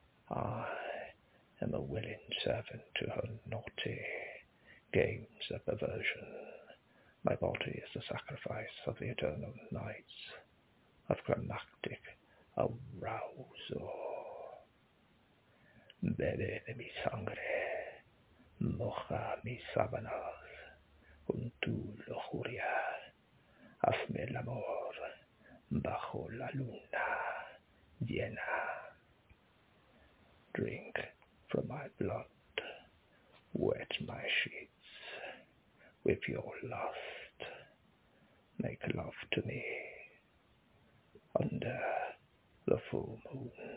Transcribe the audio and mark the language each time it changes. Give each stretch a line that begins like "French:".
English: I am a willing servant to her naughty games of perversion. My body is the sacrifice of the eternal nights of climactic arousal.
Spanish: Bebe de mi sangre, moja mi sábanas, con tu lujuria, hazme el amor bajo la luna llena.
English: Drink from my blood, wet my sheet with your lust, make love to me under the full moon.